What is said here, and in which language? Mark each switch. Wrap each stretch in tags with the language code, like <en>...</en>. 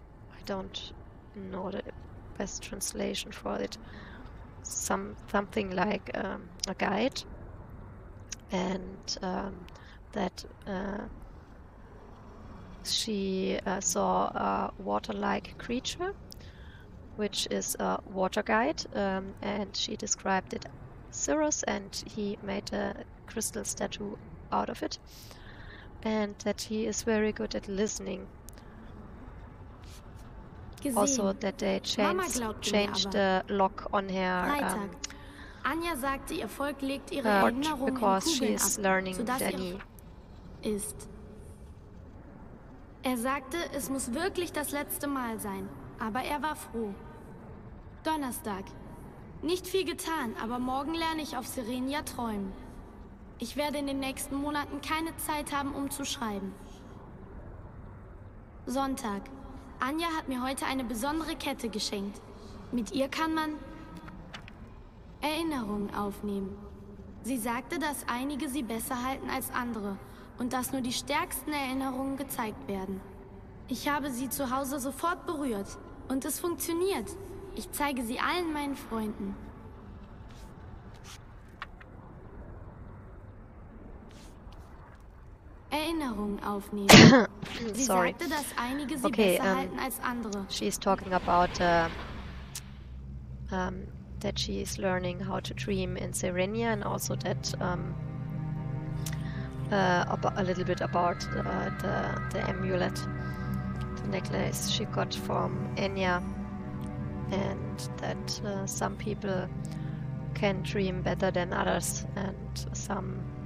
<en>I don't know the best translation for it, something like a guide, and that she saw a water-like creature which is a water guide, and she described it Cirrus, and he made a crystal statue out of it, and that he is very good at listening. Also, that they changed the lock on her</en> <de>Anya sagte, ihr Volk legt ihre Erinnerungen in Kugeln ab, sodass Dani ist. Er sagte, es muss wirklich das letzte Mal sein, aber er war froh. Donnerstag. Nicht viel getan, aber morgen lerne ich auf Serenia träumen. Ich werde in den nächsten Monaten keine Zeit haben, um zu schreiben. Sonntag. Anya hat mir heute eine besondere Kette geschenkt. Mit ihr kann man Erinnerungen aufnehmen. Sie sagte, dass einige sie besser halten als andere und dass nur die stärksten Erinnerungen gezeigt werden. Ich habe sie zu Hause sofort berührt und es funktioniert. Ich zeige sie allen meinen Freunden. Erinnerungen aufnehmen. Sie</de> <en>Sorry.</en> <de>Sagte, dass einige sie besser halten als andere.</de> <en>She's talking about that she is learning how to dream in Serenia, and also that a little bit about the amulet, the necklace she got from Anya, and that some people can dream better than others, and some</en>